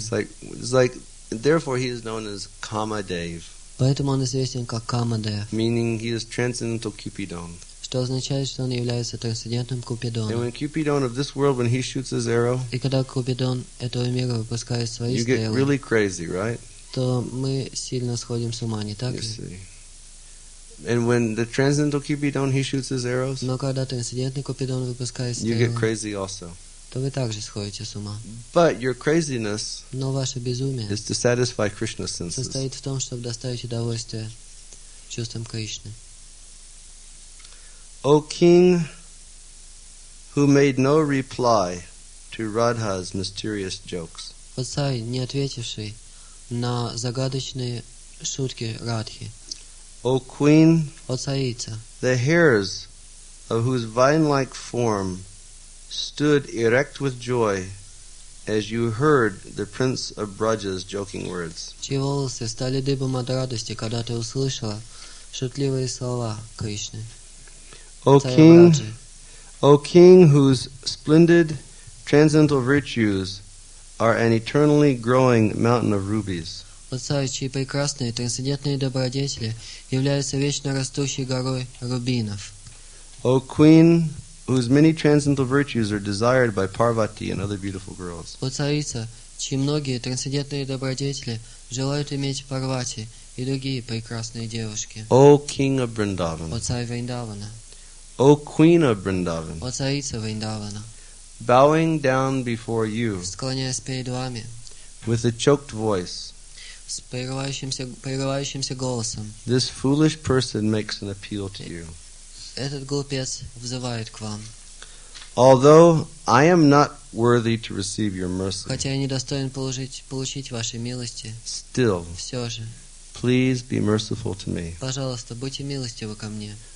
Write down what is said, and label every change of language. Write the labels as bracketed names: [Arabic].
[English] It's like, therefore he is known as Kamadev. [Russian] Поэтому он известен как Kamadev. [English] Meaning he is transcendental Cupidon. [Russian] Что означает, что он является трансцендентным Купидоном. [English] And when Cupidon of this world, when he shoots his arrow, [Russian] и когда Купидон этого мира выпускает свои стрелы, [English] you get really crazy, right? [Russian] То мы сильно сходим с ума, не так ли? [English] You see. And when the transcendental Cupidon, he shoots his arrows, [Russian] но когда трансцендентный Купидон выпускает стрелы, [English] you get crazy also. [Russian] То вы также сходите с ума. [English] But your craziness, [Russian] но ваше безумие, [English] is to satisfy Krishna's senses. [Russian] Состоит в том, чтобы доставить удовольствие чувствам Кришны. [English] O king who made no reply to Radha's mysterious jokes. [Russian] О царь, не ответивший на загадочные шутки Радхи. [English] O queen, [Russian] о царица, [English] the hairs of whose vine-like form stood erect with joy as you heard the prince of Braja's joking words. [Russian] Чьи волосы стали дыбом от радости, когда ты услышала шутливые слова Кришны. [English] O king, whose splendid transcendental virtues are an eternally growing mountain of rubies. [Russian] О царь, чьи прекрасные трансцендентные добродетели являются вечно растущей горой рубинов. [English] O queen, whose many transcendental virtues are desired by Parvati and other beautiful girls. [Russian] О царица, чьи многие трансцендентные добродетели желают иметь Парвати и другие прекрасные девушки. [English] O king of Vrindavan. [Russian] О царь Вриндавана. [English] O queen of Vrindavan, [Russian] о царица Вриндавана, [English] bowing down before you, [Russian] склоняясь перед вами, [English] with a choked voice, [Russian] с прерывающимся голосом, [English] this foolish person makes an appeal to you. [Russian] Этот глупец взывает к вам. [English] Although I am not worthy to receive your mercy, [Russian] хотя я не достоин получить вашей милости, [English] still, [Russian] все же, [English] please be merciful to me. [Russian] Пожалуйста, будьте милостивы ко мне.